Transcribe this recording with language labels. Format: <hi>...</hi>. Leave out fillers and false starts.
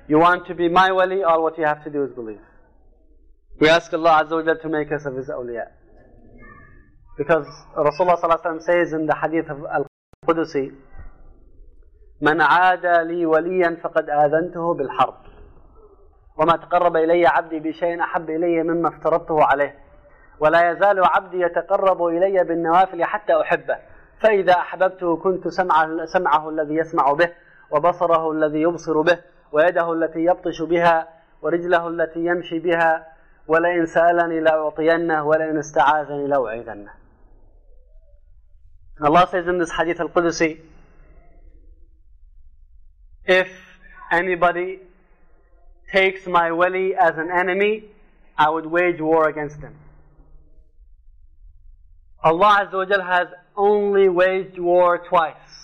<en>You want to be my wali, all what you have to do is believe. We ask Allah Azza wa Jalla to make us of His awliya. Because Rasulullah Sallallahu Alaihi Wasallam says in the hadith of al Qudusi,</en> <ar>مَنْ عَادَ لِي وَلِيًّا فَقَدْ آذَنْتُهُ بِالْحَرْبِ. وما تقرب إلي عبدي بشيء أحب إلي مما افترضته عليه ولا يزال عبدي يتقرب إلي بالنوافل حتى أحبه فإذا أحببته كنت سمعه الذي يسمع به وبصره الذي يبصر به ويده التي يبطش بها ورجله التي يمشي بها ولئن سألني لأعطينه ولئن استعاذني لأعيذنه.</ar> <en>Allah says in this hadith al-Qudusi, if anybody takes my wali as an enemy, I would wage war against him. Allah Azza wa Jal has only waged war twice.</en>